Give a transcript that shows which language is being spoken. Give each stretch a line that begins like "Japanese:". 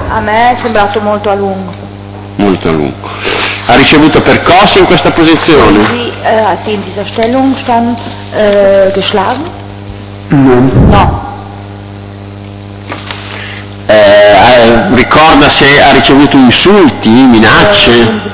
Italian: A me è sembrato molto a lungo. Molto a lungo. Ha ricevuto percosse in questa posizione?
German: Sì, in dieser Stellung stand geschlagen?
Italian: No. No. Ricorda se ha ricevuto insulti, minacce?